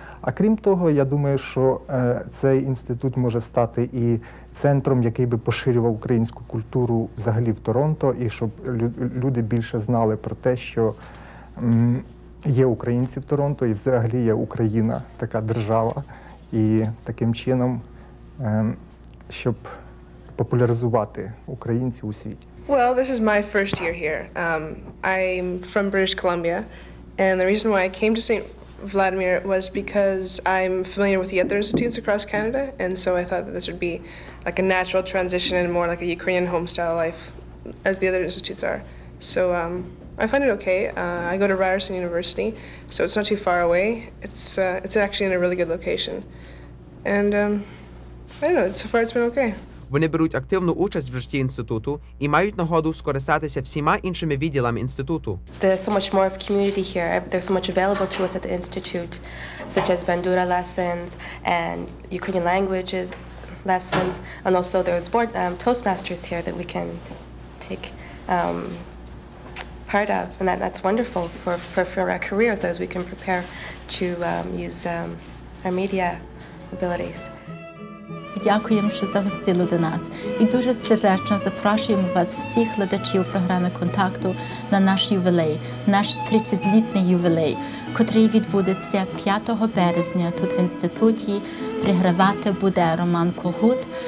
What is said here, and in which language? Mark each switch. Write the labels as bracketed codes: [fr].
[uk] А крім того, я думаю, що цей інститут може стати і центром, який би поширював українську культуру взагалі в Торонто, і щоб люди більше знали про те, що є українці в Торонто, і взагалі є Україна, така держава. І таким чином, щоб популяризувати українців у світі. [en] Well, this is my first year here. I'm from British Columbia, and the reason why I came to St. Vladimir was because I'm familiar with the other institutes across Canada, and so I thought that this would be like a natural transition and more like a Ukrainian homestyle life as the other institutes are. So I find it okay. I go to Ryerson University, so it's not too far away. It's actually in a really good location. And I don't know, so far it's been okay. [uk] Вони беруть активну участь в житті інституту і мають нагоду скористатися всіма іншими відділами інституту. [en] There's so much more of community here. There's so much available to us at the institute, such as bandura lessons and Ukrainian languages lessons, and also there's board toastmasters here that we can take part of, and that's wonderful for our careers as we can prepare to use our media abilities. [uk] Дякуємо, що загостили до нас. І дуже сердечно запрошуємо вас всіх глядачів програми «Контакту» на наш ювілей, наш 30-літний ювілей, котрий відбудеться 5 березня тут в інституті. Пригравати буде Роман Когут,